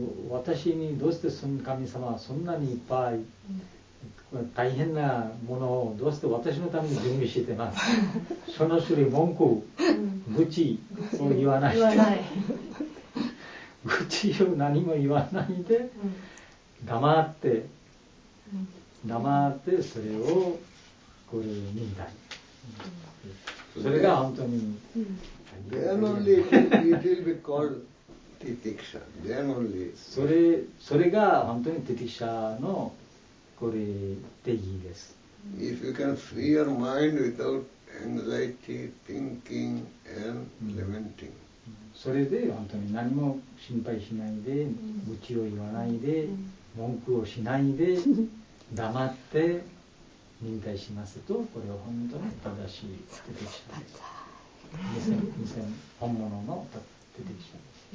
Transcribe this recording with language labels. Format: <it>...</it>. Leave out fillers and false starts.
<ja>私にどうして神様はそんなにいっぱい大変なものをどうして私のために準備してます、その種類文句愚痴を言わないで愚痴を何も言わないで黙ってそれをこれ忍耐、それが本当に</ja> <en>then only it will be calledティティクシャ、then only</en> <ja>それが本当にティティクシャのこれ定義です。</ja> <en>If you can free your mind without anxiety, thinking and lamenting.</en> <ja>それで本当に何も心配しないで、愚痴を言わないで、文句をしないで、黙って忍耐しますと、これは本当に正しいティティクシャです。 2000本物のティティクシャです。</ja>